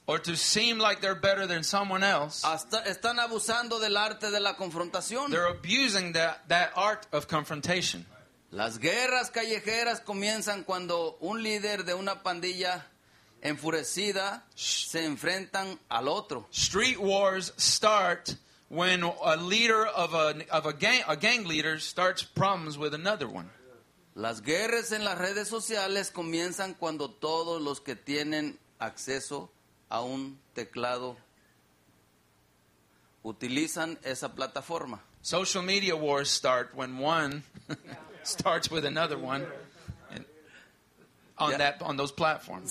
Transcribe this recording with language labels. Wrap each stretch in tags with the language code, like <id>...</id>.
<en>Or to seem like they're better than someone else.</en> <es>Hasta están abusando del arte de la confrontación.</es> <en>They're abusing that art of confrontation.</en> <es>Las guerras callejeras comienzan cuando un líder de una pandilla enfurecida se enfrentan al otro.</es> <en>Street wars start when a leader of a gang leader starts problems with another one.</en> <es>Las guerras en las redes sociales comienzan cuando todos los que tienen acceso a un teclado utilizan esa plataforma.</es> <en>Social media wars start when one starts with another one on those platforms.</en>